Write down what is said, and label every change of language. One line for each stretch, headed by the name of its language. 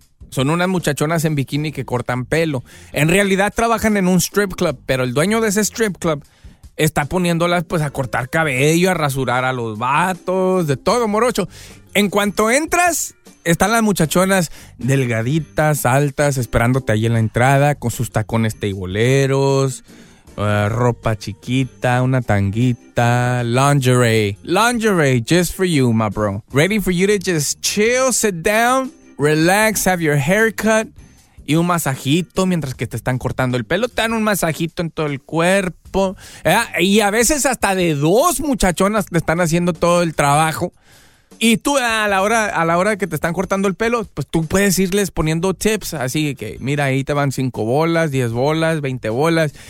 Spanish: Son unas muchachonas en bikini que cortan pelo. En realidad trabajan en un strip club, pero el dueño de ese strip club está poniéndolas pues a cortar cabello, a rasurar a los vatos, de todo, morocho. En cuanto entras, están las muchachonas delgaditas, altas, esperándote ahí en la entrada, con sus tacones teiboleros, ropa chiquita, una tanguita, lingerie.
English: Lingerie, just for you, my bro. Ready for you to just chill, sit down, relax, have your haircut.
Spanish: Y un masajito mientras que te están cortando el pelo. Te dan un masajito en todo el cuerpo. Y a veces hasta de dos muchachonas te están haciendo todo el trabajo. Y tú a la hora que te están cortando el pelo, pues tú puedes irles poniendo tips. Así que mira, ahí te van 5 bolas, 10 bolas, 20 bolas.